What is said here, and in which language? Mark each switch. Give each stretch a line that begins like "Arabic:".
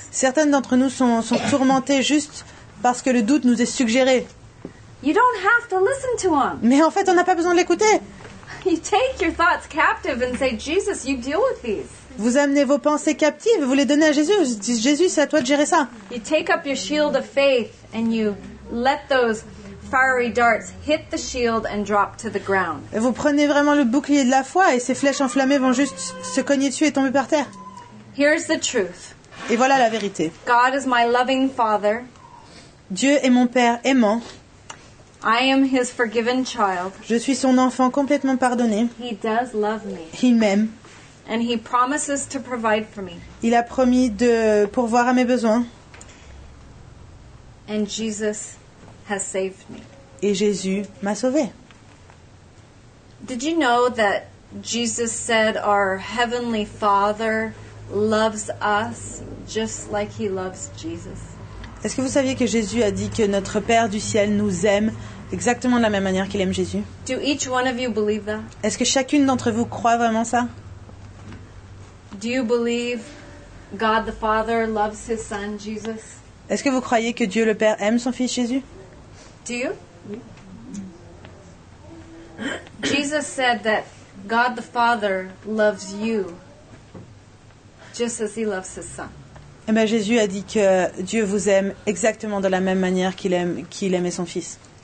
French: Certaines d'entre nous sont tourmentées juste parce que le doute nous est suggéré.
English: You don't have to listen to them.
French: Mais en fait, on n'a pas besoin de l'écouter.
English: You take your thoughts captive and say, Jesus, you deal with these.
French: Vous amenez vos pensées captives, vous les donnez à Jésus. Vous dites, Jésus, c'est à toi de gérer ça.
English: You take up your shield of faith and you let those fiery darts hit the shield and drop to the ground.
French: Et vous prenez vraiment le bouclier de la foi et ces flèches enflammées vont juste se cogner dessus et tomber par terre.
English: Here's the truth.
French: Et voilà la vérité.
English: God is my loving Father.
French: Dieu est mon Père aimant.
English: I am his forgiven child.
French: Je suis son enfant complètement pardonné.
English: He does love me.
French: Il m'aime.
English: And he promises to provide for me.
French: Il a promis de pourvoir à mes besoins.
English: And Jesus has saved me.
French: Et Jésus m'a sauvé.
English: Did you know that Jesus said our heavenly Father loves us just like he loves Jesus?
French: Est-ce que vous saviez que Jésus a dit que notre Père du ciel nous aime exactement de la même manière qu'il aime Jésus?
English: Do each one of you believe that?
French: Est-ce que chacune d'entre vous croit vraiment ça?
English: Do you believe God the Father loves his son Jesus?
French: Est-ce que vous croyez que Dieu le Père aime son fils Jésus?
English: Do you? Jesus said that God the Father loves you just as he loves his son.
French: Et bien Jésus a dit que Dieu vous aime exactement de la même manière qu'il aimait son fils.